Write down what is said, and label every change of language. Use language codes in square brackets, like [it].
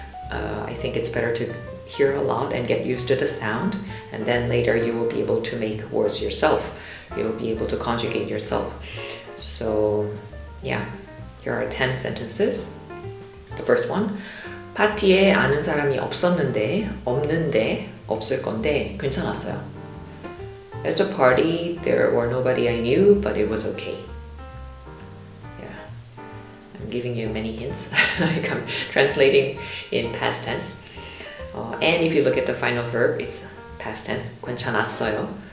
[en] I think it's better to hear a lot and get used to the sound, and then later you will be able to make words yourself. You will be able to conjugate yourself. So, yeah, Here are 10 sentences. The first one. [ko] 파티에 아는 사람이 없었는데, 없는데, 없을 건데, 괜찮았어요. [en] At the party, there were nobody I knew, but it was okay. Yeah. I'm giving you many hints. Like I'm translating in past tense. And if you look at the final verb, it's past tense, 괜찮았어요.